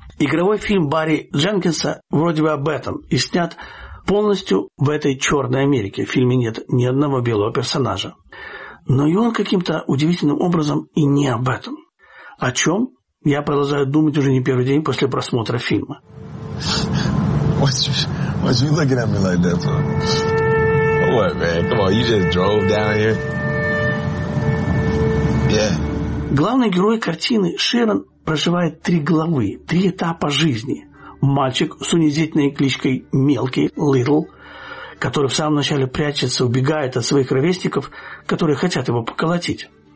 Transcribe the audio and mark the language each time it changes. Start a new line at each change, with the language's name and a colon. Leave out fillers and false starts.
Russian: Игровой фильм Барри Дженкинса вроде бы об этом и снят полностью в этой «Черной Америке». В фильме нет ни одного белого персонажа. Но и он каким-то удивительным образом и не об этом. О чем? Я продолжаю думать уже не первый день после просмотра фильма.
English: What you looking at me like that for? What, man? Come on, you just drove down here? Yeah.
Russian: Главный герой картины Шерон проживает три главы, три этапа жизни. Мальчик с унизительной кличкой Мелкий, Литл, который в самом начале прячется, убегает от своих ровесников, которые хотят его поколотить.